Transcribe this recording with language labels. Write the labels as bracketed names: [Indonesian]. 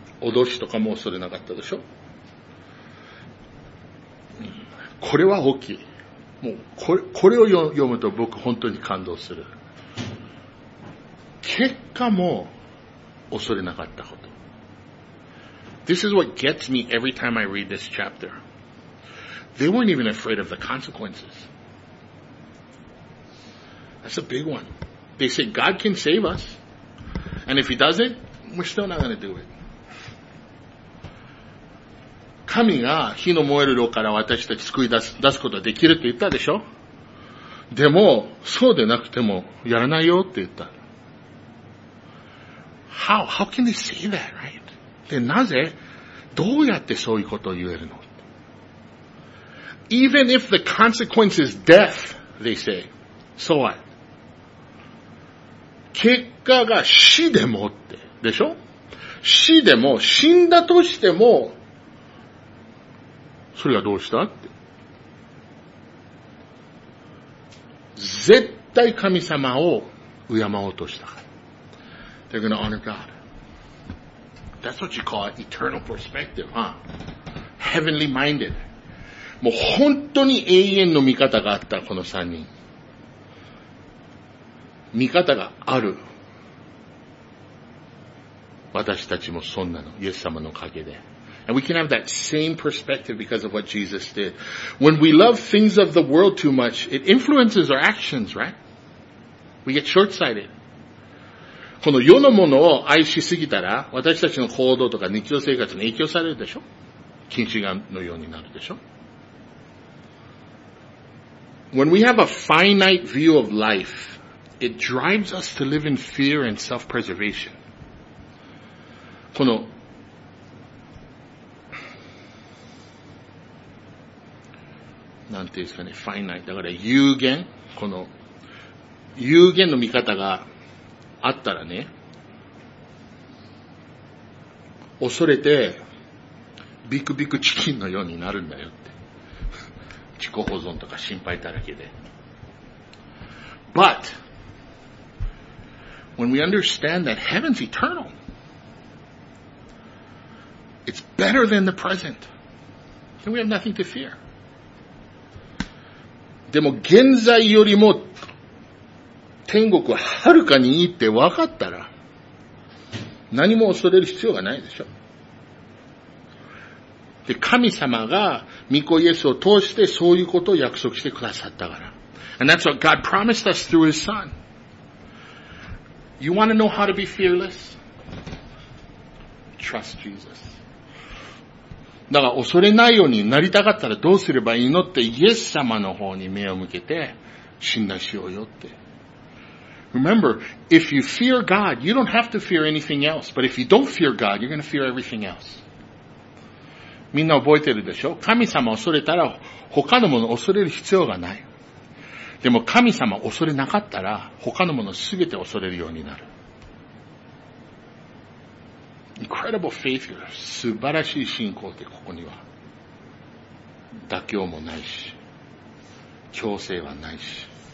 [Japanese] 脅しとかも恐れなかったでしょ。これは大きい。もう、これを読むと僕本当に感動する。結果も恐れなかったこと。 [English] This is what gets me every time I read this chapter. They weren't even afraid of the consequences. That's a big one. They say God can save us. And if he doesn't, we're still not going to do it. [Japanese] 神が火の燃える炉から私たち救い出すことができると言ったでしょ? でも、そうでなくてもやらないよって言った。 [English] How can they say that, right? [Japanese] で、なぜ、どうやってそういうことを言えるの? [English] Even if the consequence is death, they say. So what? [Japanese] 結果が死でもって。でしょ? 死でも、死んだとしても、それがどうしたって。絶対神様を敬おうとしたから。 [English] They're gonna honor God. That's what you call eternal perspective, huh? Heavenly minded. [Japanese] もう本当に永遠の味方があった、この三人。味方がある。私たちもそんなの、イエス様のおかげで。 [English] And we can have that same perspective because of what Jesus did. When we love things of the world too much, it influences our actions, right? We get short-sighted. [Japanese] この世のものを愛しすぎたら、私たちの行動とか日常生活に影響されるでしょ？近視眼のようになるでしょ？ [English] When we have a finite view of life, it drives us to live in fear and self-preservation. [Japanese] この何て言うんですかね、finite だから有限、この有限の見方があったらね、恐れてビクビクチキンのようになるんだよって、自己保存とか心配だらけで。 [English] But when we understand that heaven's eternal, it's better than the present, then we have nothing to fear. [Japanese] でも現在よりも天国ははるかにいいって分かったら何も恐れる必要がないでしょ。で、神様が御子イエスを通してそういうことを約束してくださったから。 [English] And that's what God promised us through His Son. You want to know how to be fearless? Trust Jesus. [Japanese] だから恐れないようになりたかったらどうすればいいのってイエス様の方に目を向けて信頼しようよって。 [English] Remember, if you fear God, you don't have to fear anything else. But if you don't fear God, you're going to fear everything else. [Japanese] みんな覚えてるでしょ？神様を恐れたら他のものを恐れる必要がない。でも神様を恐れなかったら他のものすべて恐れるようになる。 [English] Incredible faith here. [Japanese] 素晴らしい信仰ってここには。妥協もないし、強制はないし。